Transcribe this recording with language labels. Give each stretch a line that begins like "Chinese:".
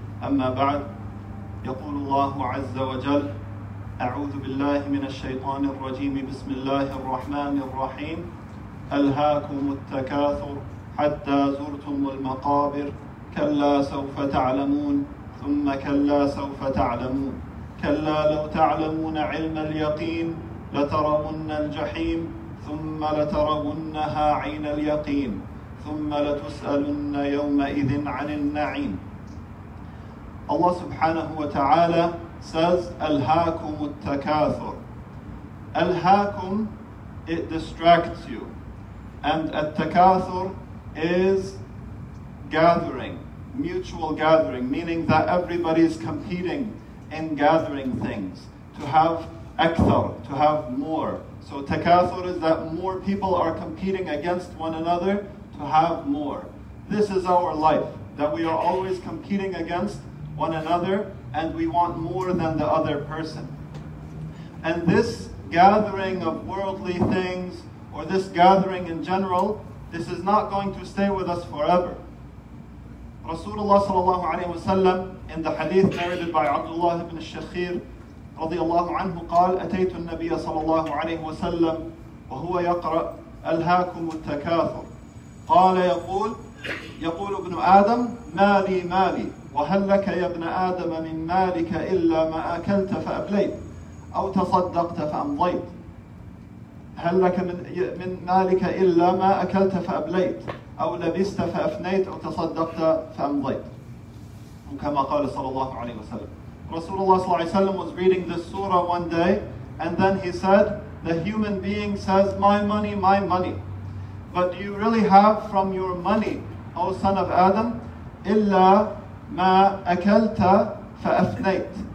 Arabic: أما بعد، يقول الله عز وجل: أعوذ بالله من الشيطان الرجيم، بسم الله الرحمن الرحيم: ألهاكم التكاثر حتى زرتم المقابر، كلا سوف تعلمون ثم كلا سوف تعلمون، كلا لو تعلمون علم اليقين لترون الجحيم، ثم لترونها عين اليقين، ثم لتسألن يومئذ عن النعيم. الله سبحانه وتعالى says ألهاكم التكاثر.
English: ألهاكم, it distracts you. And التكاثر is gathering, mutual gathering, meaning that everybody is competing in gathering things to have أكثر, to have more. So تكاثر is that more people are competing against one another to have more. This is our life, that we are always competing against one another and we want more than the other person. And this gathering of worldly things, or this gathering in general, this is not going to stay with us forever. Rasulullah sallallahu alayhi wa sallam, in the hadith narrated by Abdullah ibn al-Shakhir radiyallahu anhu,
Arabic: قال أتيت النبي صلى الله عليه وسلم وهو يقرأ ألهاكم التكاثر. قال يقول ابن آدم مالي مالي وهل لك يا ابن آدم من مالك إلا ما أكلت فأبليت أو تصدقت فأمضيت. هل لك من مالك إلا ما أكلت فأبليت أو لبست فأفنيت أو تصدقت فأمضيت. وكما قال صلى الله عليه وسلم. رسول الله صلى الله عليه وسلم
English: was reading this surah one day and then he said, the human being says, my money, my money. But do you really have from your money, O son of Adam,
Arabic: إلا ما أكلت فأفنيت.